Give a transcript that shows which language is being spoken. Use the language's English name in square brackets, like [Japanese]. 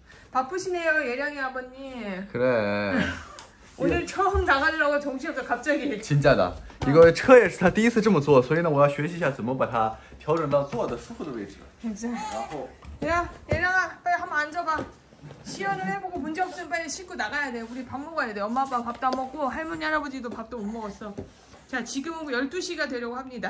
[Korean] 바쁘시네요, 예령이 아버님. 그래. 오늘 처음 나가려고 정신없어, 갑자기. 진짜다. 이거 [Chinese] 车也是他 第一次这么坐, 所以呢我要学习一下怎么把它调整到坐的舒服的位置. [Korean] 진짜. 야, 예령아, 빨리 한번 앉아봐. 시연을 해보고 문제 없으면 빨리 씻고 나가야 돼. 우리 밥 먹어야 돼. 엄마 아빠 밥도 안 먹고 할머니 할아버지도 밥도 못 먹었어. 자, 지금은 12시가 되려고 합니다.